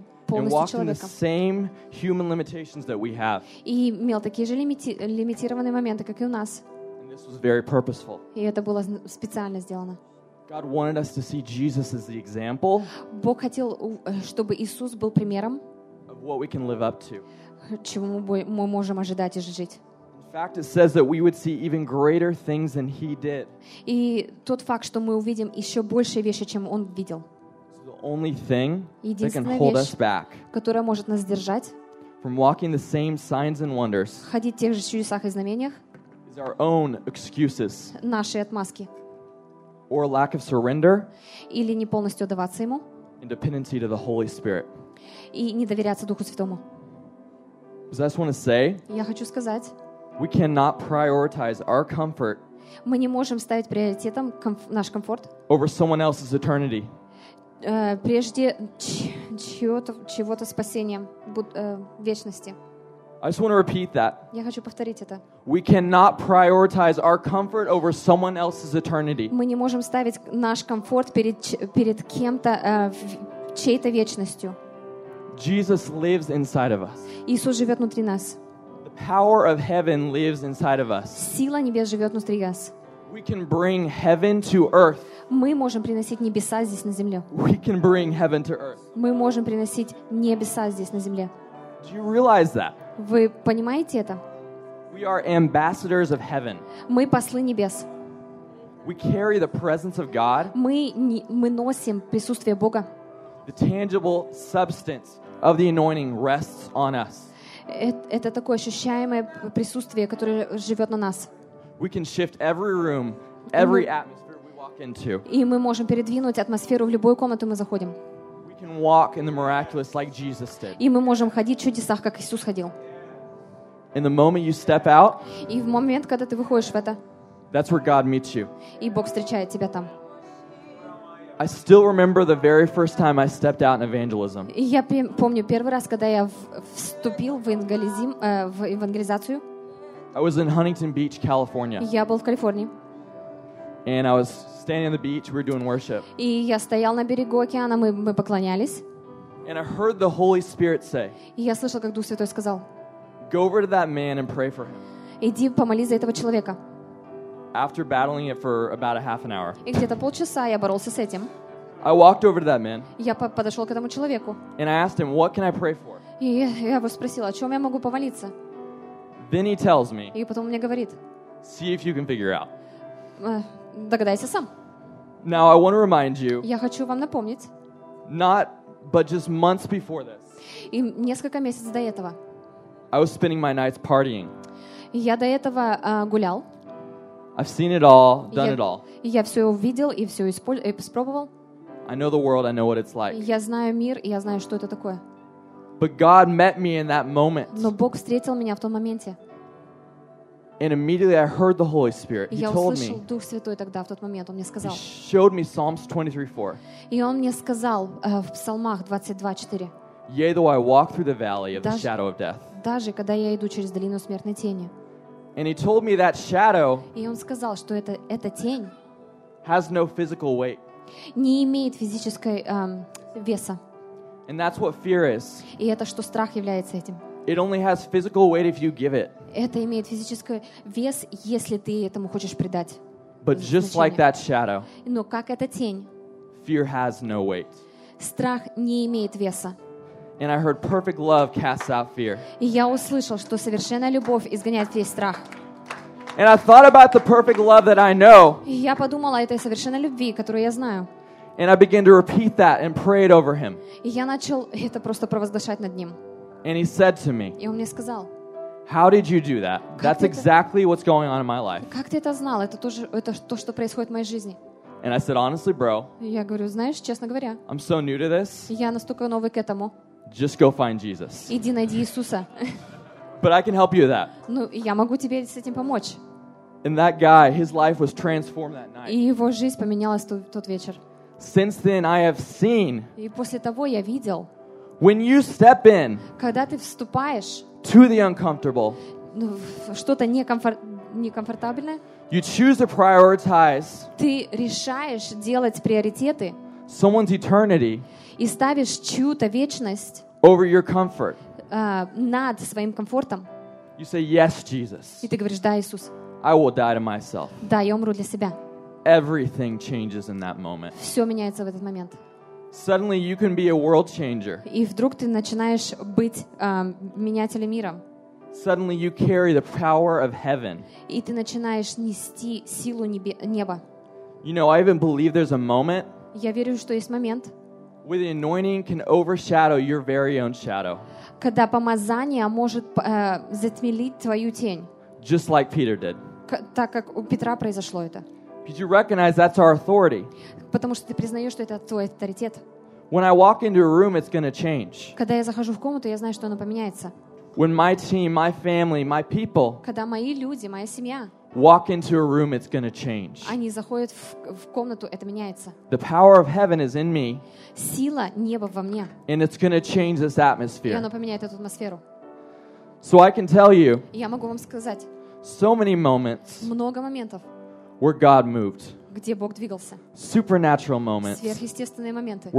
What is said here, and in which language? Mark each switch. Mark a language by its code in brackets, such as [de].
[en] And walked in the same human limitations that we have. [ru] И имел такие же лимитированные моменты, как и у нас. [en] And this was very purposeful. [ru] И это было специально сделано. [en] God wanted us to see Jesus as the example. [ru] Бог хотел, чтобы Иисус был примером. [en] Of what we can live up to. [ru] Чему мы можем ожидать и жить. [en] In fact, it says that we would see even greater things than he did. [ru] И тот факт, что мы увидим еще большие вещи, чем он видел. [en] Only thing that can hold us back, [ru] которая может нас держать, [en] from walking the same signs and wonders, [ru] ходить в тех же чудесах и знамениях, [en] is our own excuses, [ru] наши отмазки. [en] or lack of surrender, [ru] или не полностью отдаваться ему, [en] and dependency to the Holy Spirit. [ru] И не доверяться Духу Святому. [en] I just want to say, [ru] я хочу сказать, [en] we cannot prioritize our comfort, [ru] мы не можем ставить приоритетом наш комфорт, [en] over someone else's eternity. [ru] Прежде чего-то спасения вечности. [en] I just want to repeat that. [ru] Я хочу повторить это. [en] We cannot prioritize our comfort over someone else's eternity. [ru] Мы не можем ставить наш комфорт перед кем-то чьей-то вечностью. [en] Jesus lives inside of us. [ru] Иисус живет внутри нас. [en] The power of heaven lives inside of us. [ru] Сила небес живет внутри нас. [en] We can bring heaven to earth. [ru] Мы можем приносить небеса здесь на земле. [en] We can bring heaven to earth. [ru] Мы можем приносить небеса здесь на земле. [en] Do you realize that? [ru] Вы понимаете это? [en] We are ambassadors of heaven. [ru] Мы послы небес. [en] We carry the presence of God. [ru] Мы носим присутствие Бога. [en] The tangible substance of the anointing rests on us. [ru] Это такое ощущаемое присутствие, которое живет на нас. [en] We can shift every room, every atmosphere we walk into. [ru] И мы можем передвинуть атмосферу в любую комнату, мы заходим. [en] We can walk in the miraculous like Jesus did. [ru] И мы можем ходить в чудесах, как Иисус ходил. [en] In the moment you step out, [ru] и в момент, когда ты выходишь в это, [en] that's where God meets you. [ru] И Бог встречает тебя там. [en] I still remember the very first time I stepped out in evangelism. [ru] И я помню первый раз, когда я вступил в евангелизацию. [en] I was in Huntington Beach, California. [ru] Я был в Калифорнии. [en] And I was standing on the beach, we were doing worship. [ru] И я стоял на берегу океана, мы поклонялись. [en] And I heard the Holy Spirit say. [ru] И я слышал, как Дух Святой сказал. [en] Go over to that man and pray for him. [ru] Иди помолись за этого человека. [en] After battling it for about a half an hour. [ru] И где-то полчаса я боролся с этим. [en] I walked over to that man. [ru] Я подошел к этому человеку. [en] And I asked him, what can I pray for? [ru] И я его спросил, о чем я могу помолиться? [en] Then he tells me. [ru] И потом он мне говорит. [en] See if you can figure out. [ru] Догадайся сам. [en] Now I want to remind you. [ru] Я хочу вам напомнить. [en] Not, but just months before this. [ru] И несколько месяцев до этого. [en] I was spending my nights partying. [ru] Я до этого гулял. [en] I've seen it all, done it all. [ru] Я все увидел и все испробовал. [en] I know the world, I know what it's like. [ru] Я знаю мир и я знаю, что это такое. [en] But God met me in that moment. [ru] Но Бог встретил меня в том моменте. [en] And immediately I heard the Holy Spirit. He told me. [ru] Я услышал Дух Святой тогда в тот момент. Он мне сказал. [en] He showed me Psalms 23:4. [ru] И он мне сказал в Псалмах 22:4. [en] Yea, though I walk through the valley of the shadow of death. [ru] Даже когда я иду через долину смертной тени. [en] And he told me that shadow. [ru] И он сказал, что эта тень. [en] Has no physical weight. [ru] Не имеет физической веса. [en] And that's what fear is. [ru] И это что страх является этим. [en] It only has physical weight if you give it. [ru] Это имеет физический вес, если ты этому хочешь придать. [en] But just like that shadow. [ru] Но как эта тень. [en] Fear has no weight. [ru] Страх не имеет веса. [en] And I heard perfect love casts out fear. [ru] И я услышал, что совершенная любовь изгоняет весь страх. [en] And I thought about the perfect love that I know. [ru] И я подумал о этой совершенной любви, которую я знаю. [en] And I began to repeat that and pray it over him. [ru] И я начал это просто провозглашать над ним. [en] And he said to me. [ru] И он мне сказал. [en] How did you do that? That's exactly what's going on in my life. [ru] Как ты это знал? Это то, что происходит в моей жизни. [en] And I said, honestly, bro. [ru] Я говорю, знаешь, честно говоря. [en] I'm so new to this. [ru] Я настолько новый к этому. [en] Just go find Jesus. [ru] Иди найди Иисуса. [en] But I can help you with that. [ru] Ну, я могу тебе с этим помочь. [en] And that guy, his life was transformed that night. [ru] И его жизнь поменялась тот вечер. [en] Since then, I have seen. [ru] И после того я видел. [en] When you step in. [ru] Когда ты вступаешь. [en] To the uncomfortable. [ru] Что-то некомфортабельное. [en] You choose to prioritize. [ru] Ты решаешь делать приоритеты. [en] Someone's eternity. [ru] И ставишь чью-то вечность. [en] Over your comfort. [ru] Над своим комфортом. [en] You say yes, Jesus. [ru] И ты говоришь да, Иисус. [en] I will die to myself. [ru] Да, я умру для себя. [en] Everything changes in that moment. [ru] Все меняется в этот момент. [en] Suddenly you can be a world changer. [ru] И вдруг ты начинаешь быть менятелем мира. [en] Suddenly you carry the power of heaven. [ru] И ты начинаешь нести силу неба. [en] You know, I even believe there's a moment. [ru] Я верю, что есть момент. [en] Where the anointing can overshadow your very own shadow. [ru] Когда помазание может затмить твою тень. [en] Just like Peter did. [ru] Так как у Петра произошло это. [en] Because you recognize that's our authority. [ru] Потому что ты признаешь, что это твой авторитет. [en] When I walk into a room, it's going to change. [ru] Когда я захожу в комнату, я знаю, что оно поменяется. [en] When my team, my family, my people. [ru] Когда мои люди, моя семья. [en] Walk into a room, it's going to change. [ru] Они заходят в комнату, это меняется. [en] The power of heaven is in me. [ru] Сила неба во мне. [en] And it's going to change this atmosphere. [ru] И оно поменяет эту атмосферу. [en] So I can tell you. [ru] Я могу вам сказать. [en] So many moments. [ru] Много моментов. [en] Where God moved. [ru] Где Бог двигался. [en] Supernatural moments. [ru] Сверхъестественные моменты.